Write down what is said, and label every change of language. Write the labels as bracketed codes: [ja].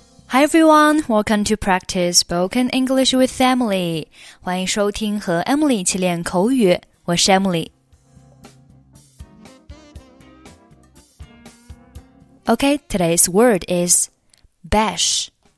[en] Hi everyone, welcome to practice spoken English with Emily. [zh] 欢迎收听和 Emily 一起练口语，我是 Emily. [en] Okay, today's word is bash.